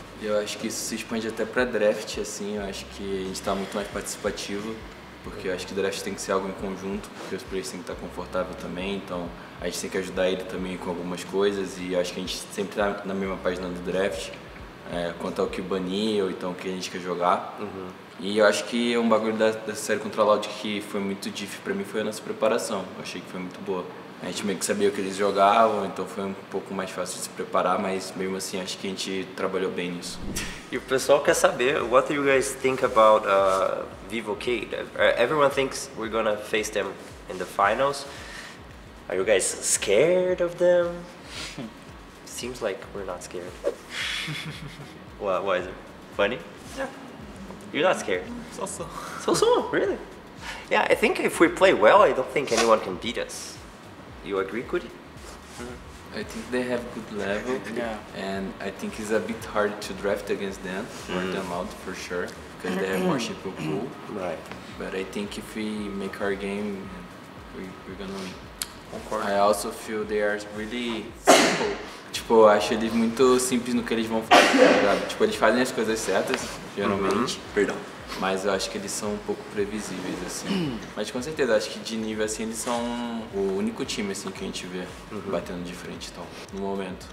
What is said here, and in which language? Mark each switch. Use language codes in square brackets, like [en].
[pt] Eu acho que isso se expande até pra draft, assim. Eu acho que a gente tá muito mais participativo, porque eu acho que draft tem que ser algo em conjunto, porque os players têm que estar confortável também, então a gente tem que ajudar ele também com algumas coisas, e acho que a gente sempre tá na mesma página do draft, quanto ao que banir, ou então o que a gente quer jogar. E eu acho que um bagulho dessa série contra a Loud que foi muito difícil pra mim foi a nossa preparação. Eu achei que foi muito boa. A gente meio que sabia o que eles jogavam, então foi um pouco mais fácil de se preparar, mas mesmo assim acho que a gente trabalhou bem nisso. E o pessoal quer saber, [en] what do you guys think about VivoCade? Everyone thinks we're gonna face them in the finals. Are you guys scared of them? Seems like we're not scared. What, why is it? Funny? Yeah. You're not scared? So-so. So-so? Really? Yeah, I think if we play well, I don't think anyone can beat us. You agree, Cody? I think they have good level, and I think it's a bit hard to draft against them, or them out for sure, because they have more shippo pool. Right. But I think if we make our game, we're gonna win. [pt] Concordo. [en] I also feel they are really simple. [pt] Tipo, eu acho eles muito simples no que eles vão fazer. Tipo, eles fazem as coisas certas, geralmente. Perdão. Mas eu acho que eles são um pouco previsíveis, assim. Mas com certeza, acho que de nível, assim, eles são o único time, assim, que a gente vê batendo de frente, então, no momento.